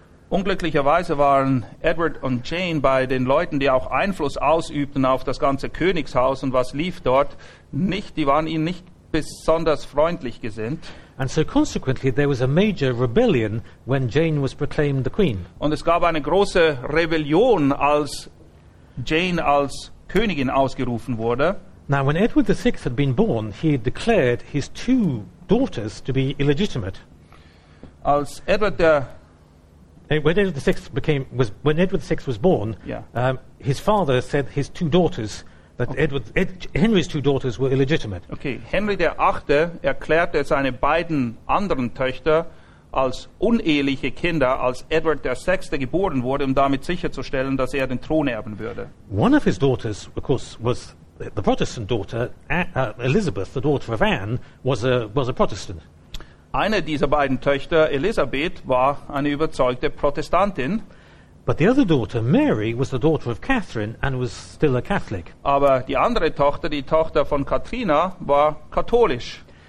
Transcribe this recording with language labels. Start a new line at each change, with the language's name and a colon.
German: Unglücklicherweise waren Edward und Jane bei den Leuten, die auch Einfluss ausübten auf das ganze Königshaus und was lief dort, nicht. Die waren ihnen nicht besonders freundlich gesinnt.
English: And so consequently there was a major rebellion when Jane was proclaimed the queen.
German: Und es gab eine große Rebellion, als Jane als Königin ausgerufen wurde.
English: Now when Edward VI had been born, he had declared his two daughters to be illegitimate.
German: Als Edward der
English: When Edward VI was born, yeah. His father said his two daughters Henry's two daughters were illegitimate.
German: Okay, Henry der Achte erklärte seine beiden anderen Töchter als uneheliche Kinder, als Edward der Sechste geboren wurde, um damit sicherzustellen, dass er den Thron erben würde.
English: One of his daughters, of course, was the Protestant daughter, Elizabeth, the daughter of Anne, was a Protestant.
German: Eine dieser beiden Töchter, Elizabeth, war eine überzeugte Protestantin.
English: But the other daughter, Mary, was the daughter of Catherine and was still a Catholic.
German: Aber die andere Tochter, die Tochter von Katrina, war katholisch.